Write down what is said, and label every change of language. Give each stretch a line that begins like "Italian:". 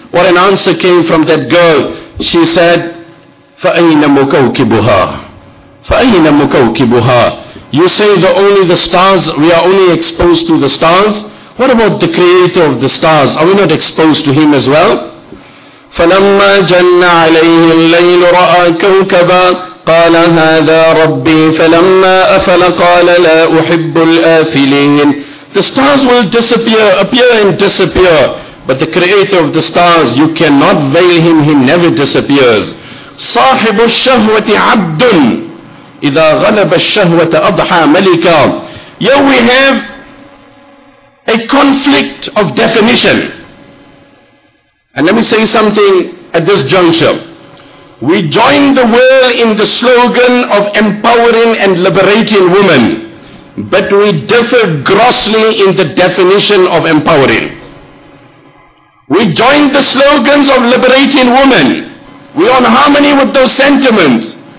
English: What an answer came from that girl. She said,
Arabic: فَأَيْنَ مُكَوْكِبُهَا فَأَيْنَ مُكَوْكِبُهَا
English: You say that only the stars, we are only exposed to the stars. What about the creator of the stars? Are we not exposed to him as well?
Arabic: فَلَمَّا جَنَّ عَلَيْهِ اللَّيْلُ رَأَى كَوْكَبًا قَالَ هَذَا رَبِّي فَلَمَّا أَفَلَ قَالَ لَا أُحِبُّ الْآفِلِينَ
English: The stars will disappear, appear and disappear. But the creator of the stars, you cannot veil him, he never disappears.
Arabic: صَاحِبُ الشَّهْوَةِ عَبْدٌ إِذَا غَلَبَ الشَّهْوَةَ أَضْحَى مَلِكًا
English: Here we have a conflict of definition. And let me say something at this juncture. We join the world in the slogan of empowering and liberating women. But we differ grossly in the definition of empowering. We join the slogans of liberating women. We are in harmony with those sentiments.